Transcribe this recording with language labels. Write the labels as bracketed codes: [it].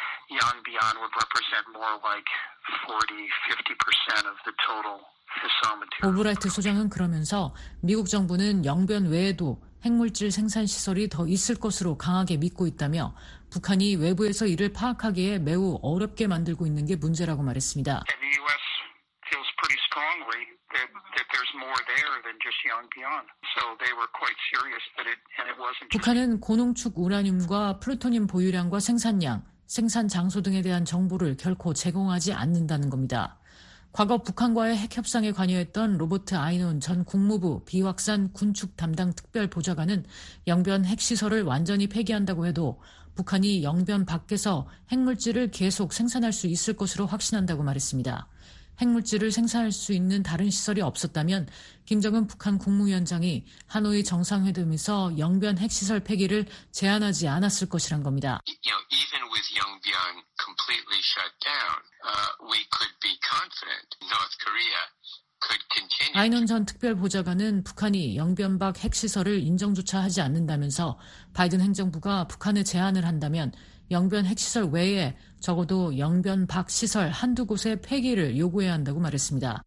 [en] Yongbyon would represent more like 40-50% of the total fissile material. [ko] 오브라이트 소장은 그러면서 미국 정부는 영변 외에도 핵물질 생산 시설이 더 있을 것으로 강하게 믿고 있다며 북한이 외부에서 이를 파악하기에 매우 어렵게 만들고 있는 게 문제라고 말했습니다. [en] And the U.S. feels pretty strongly that there's more there than just Yongbyon. So they were quite serious that it and it wasn't. [ko] 북한은 고농축 우라늄과 플루토늄 보유량과 생산량 생산 장소 등에 대한 정보를 결코 제공하지 않는다는 겁니다. 과거 북한과의 핵협상에 관여했던 로버트 아이논 전 국무부 비확산 군축 담당 특별보좌관은 영변 핵시설을 완전히 폐기한다고 해도 북한이 영변 밖에서 핵물질을 계속 생산할 수 있을 것으로 확신한다고 말했습니다. 핵물질을 생산할 수 있는 다른 시설이 없었다면 김정은 북한 국무위원장이 하노이 정상회담에서 영변 핵시설 폐기를 제안하지 않았을 것이란 겁니다. [en] Even with Yongbyon completely shut down, we could be confident North Korea could continue. [ko] 아이논 전 특별보좌관은 북한이 영변 밖 핵시설을 인정조차 하지 않는다면서 바이든 행정부가 북한에 제안을 한다면 영변 핵시설 외에 적어도 영변 밖 시설 한두 곳의 폐기를 요구해야 한다고 말했습니다.